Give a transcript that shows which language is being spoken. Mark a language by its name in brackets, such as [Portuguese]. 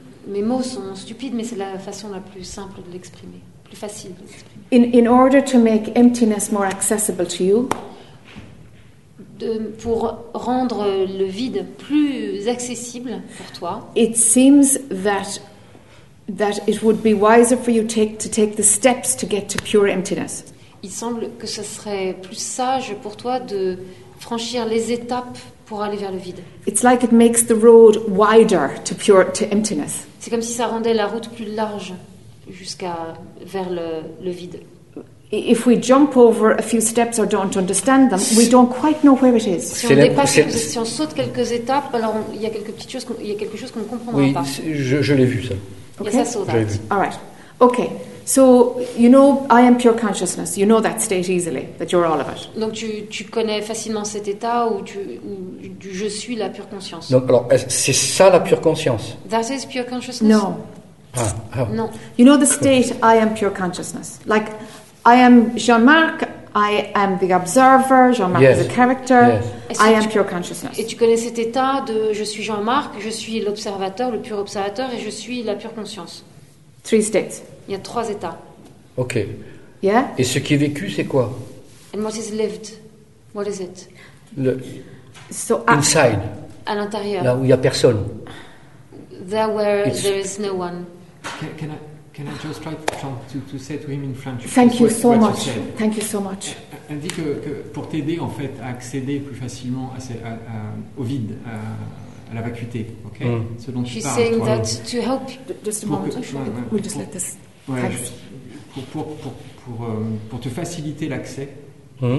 [French] Mes mots sont stupides, mais c'est la façon la plus simple de l'exprimer, plus facile de l'exprimer. [English] In order to make emptiness more accessible to you, [French] pour rendre le vide plus accessible pour toi, [English] it seems that it would be wiser for you to take the steps to get to pure emptiness. [French] Il semble que ce serait plus sage pour toi de franchir les étapes pour aller vers le vide. [English] It's like it makes the road wider to pure to emptiness. [French] C'est comme si ça rendait la route plus large jusqu'à vers le vide. [English] If we jump over a few steps or don't understand them, we don't quite know where it is. [French] Si on saute quelques étapes, alors il y a quelques petites choses, il y a quelque chose qu'on ne comprendra oui, pas. Je l'ai vu ça. Okay. Et ça saute. J'ai vu. [English] All right. Okay. So you know, I am pure consciousness. You know that state easily, that you're all of it. [French] Donc tu connais facilement cet état où je suis la pure conscience. Donc alors c'est ça la pure conscience. [English] That is pure consciousness. No. No. You know the state. I am pure consciousness. Like I am Jean-Marc. I am the observer. Jean-Marc yes. is a character. Yes. I am pure consciousness. [French] Et tu connais cet état de je suis Jean-Marc, je suis l'observateur, le pur observateur, et je suis la pure conscience. [English] Three states. [French] Il y a trois états. [English] Ok. Yeah. [French] Et ce qui est vécu, c'est quoi? [English] And what is lived? What is it? [French] Le. [English] So inside. [French] À l'intérieur. Là où il y a personne. [English] There where it's there is no one. Can I just try to say to him in French? Thank you so much. Thank you so much. [French] Elle dit que pour t'aider en fait à accéder plus facilement au vide, à la vacuité, ok. Mm. Ce dont [English] she's [French] tu parles. [English] She's saying that to help. Just a moment. We'll just let this. [French] Ouais, pour te faciliter l'accès, mm-hmm.